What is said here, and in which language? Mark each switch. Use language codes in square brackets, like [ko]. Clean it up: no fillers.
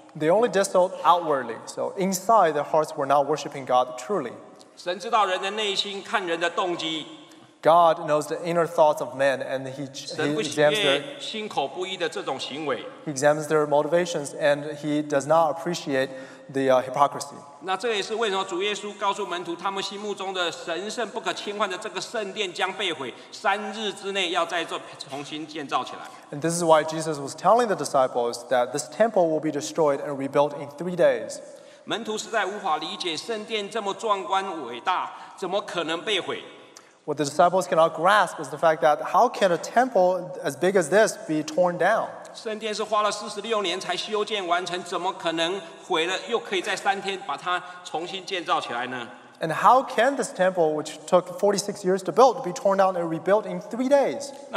[en] They only did so outwardly, so inside their hearts were not worshiping God truly. [zh] 神知道人的内心，看人的动机。 [en] God knows the inner thoughts of men, and he examines their motivations, and he does not appreciate the hypocrisy. [zh] 那这也是为什么主耶稣告诉门徒，他们心目中的神圣不可侵犯的这个圣殿将被毁，三日之内要再重新建造起来。 [en] And this is why Jesus was telling the disciples that this temple will be destroyed and rebuilt in 3 days. [zh] 门徒实在无法理解圣殿这么壮观伟大，怎么可能被毁？ [en] What the disciples cannot grasp is the fact that how can a temple as big as this be torn down? And how can this temple, which took 46 years to build, be torn down and rebuilt in 3 days?